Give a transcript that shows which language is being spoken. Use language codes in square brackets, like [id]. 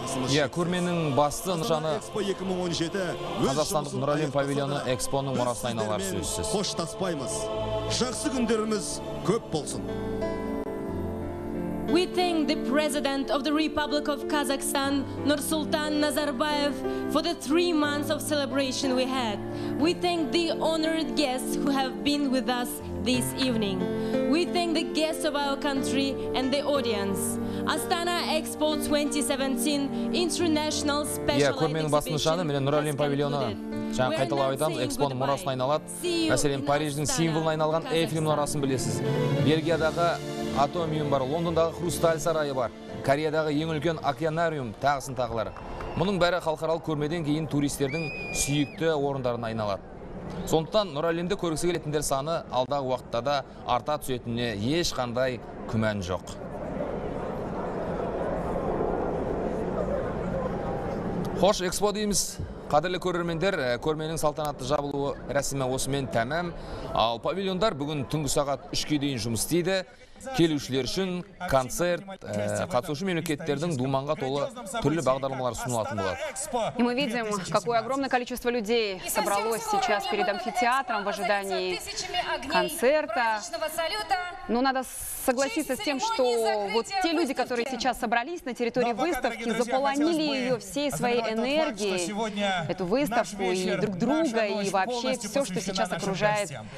[kk] Я көрменің басты нышаны – Қазақстандық Нұралем павильоны Экспоның мұрасына айналар сөзсіз. Қош таспаймыз. Жақсы күндеріміз көп болсын. [en] We thank the President of the Republic of Kazakhstan, Nursultan Nazarbayev, for the 3 months of celebration we had. We thank the honored guests who have been with us this evening. We thank the guests of our country and the audience. Астана Экспо 2017 International Special Exhibition. [kk] Я көрменің басты нышаны мен Нұралем павильоны. Жаңа қайталап айтамын, Экспоның мұрасына айналады. Мәселен, Париждің символына айналған Эйфель мұнарасын білесіз. Бельгиядағы Атомиум бар, Лондондағы Хрусталь сарайы бар, Кореядағы ең үлкен Океанариум тағысын тағылар. Мұның бәрі халықаралық көрмеден кейін туристердің сүйікті орындарына айналады. Сондықтан Нұралемді көргісі келетіндер саны алдағы уақытта да арта түсетініне ешқандай күмән жоқ. Қош Экспо дейміз. Қадірлі көрермендер, көрменің салтанатты жабылуы рәсімі осымен тәмәм. Ал павильондар бүгін түнгі сағат 3-ке дейін жұмыс істейді. Келушілер үшін концерт, қатысушы мемлекеттердің думанға толы түрлі бағдарламалар ұсынылатын болады. [ru] И мы видим, какое огромное количество людей собралось сейчас перед амфитеатром в ожидании концерта. Но надо согласиться с тем, что вот те люди, которые сейчас собрались на территории выставки, заполонили ее всей своей энергией, эту выставку и друг друга, и вообще все, что сейчас окружает.